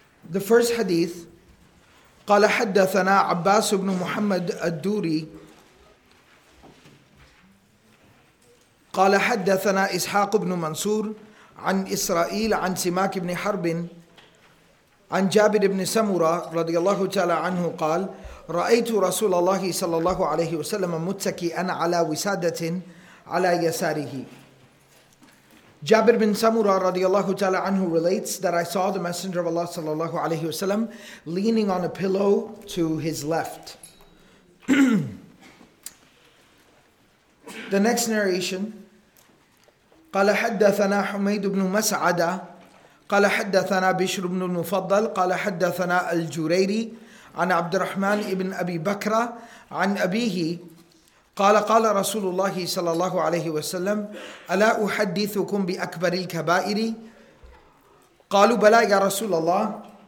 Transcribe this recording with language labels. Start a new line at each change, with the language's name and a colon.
English: The first hadith,
Arabic: قال حدثنا عباس بن محمد الدوري قال حدثنا إسحاق بن منصور عن إسرائيل عن سماك بن حرب عن جابر بن سمرة رضي الله تعالى عنه قال رأيت رسول الله صلى الله عليه وسلم متكئا على وسادة على يساره.
English: Jabir bin Samura radiallahu ta'ala anhu relates that I saw the Messenger of Allah sallallahu alayhi wa sallam leaning on a pillow to his left. The next narration,
Arabic: qala haddathana Humayd ibn Mas'ada qala haddathana Bishr ibn Mufaddal qala haddathana al-Jurayri an Abdurrahman ibn Abi Bakra an Abihi قال رسول الله صلى الله عليه وسلم ألا أحدثكم بأكبر الكبائر قالوا بلى يا رسول الله